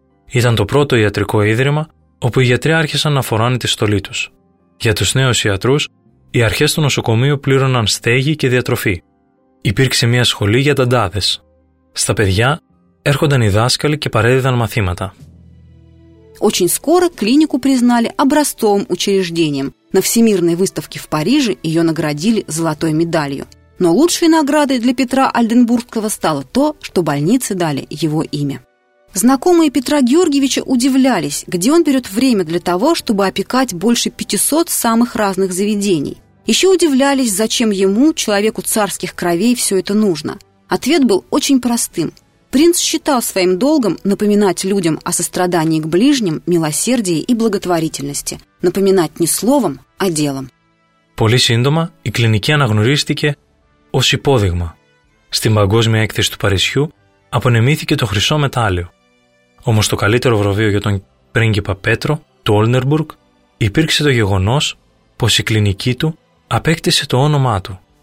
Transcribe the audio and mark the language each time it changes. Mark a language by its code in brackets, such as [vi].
[el] Ήταν το πρώτο ιατρικό ίδρυμα όπου οι γιατροί άρχισαν να φοράνε τη στολή τους. Για τους νέους ιατρούς, οι αρχές του νοσοκομείου πλήρωναν στέγη και διατροφή. Υπήρξε μια σχολή για δαντάδες. Στα παιδιά έρχονταν οι δάσκαλοι και παρέδιδαν μαθήματα. [ru] Очень скоро клинику признали образцовым учреждением. На Всемирной выставке в Париже ее наградили золотой медалью. Но лучшей наградой для Петра Альденбургского стало то, что больнице дали его имя. Знакомые Петра Георгиевича удивлялись, где он берет время для того, чтобы опекать больше 500 самых разных заведений. Еще удивлялись, зачем ему, человеку царских кровей, все это нужно. Ответ был очень простым. Принц считал своим долгом напоминать людям о сострадании к ближним, милосердии и благотворительности. Напоминать не словом, а делом. [el] Πολύ σύντομα η κλινική αναγνωρίστηκε ως υπόδειγμα. Στην παγκόσμια έκθεση του Παρισιού απονεμήθηκε το χρυσό μετάλλιο. Όμως το καλύτερο βραβείο για τον πρίγκιπα Πέτρο, του Όλνερμπουργκ, υπήρξε το γεγονός πως η κλινική του απέκτησε το όνομά του.